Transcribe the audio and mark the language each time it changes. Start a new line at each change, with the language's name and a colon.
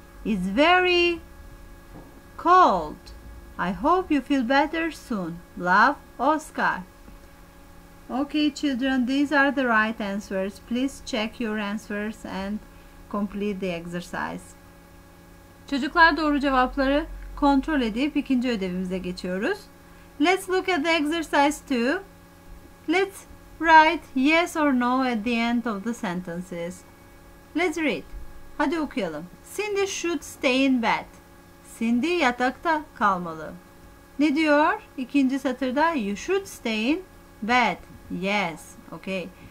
English: It's very cold. I hope you feel better soon. Love, Oscar. Okay, children, these are the right answers. Please check your answers and complete the exercise.
Turkish: Çocuklar doğru cevapları kontrol edip ikinci ödevimize geçiyoruz.
English: Let's look at the exercise 2. Let's write yes or no at the end of the sentences. Let's read.
Turkish: Hadi okuyalım.
English: Cindy should stay in bed.
Turkish: Cindy yatakta kalmalı. Ne diyor? İkinci satırda
English: you should stay in bed. Yes. Okay.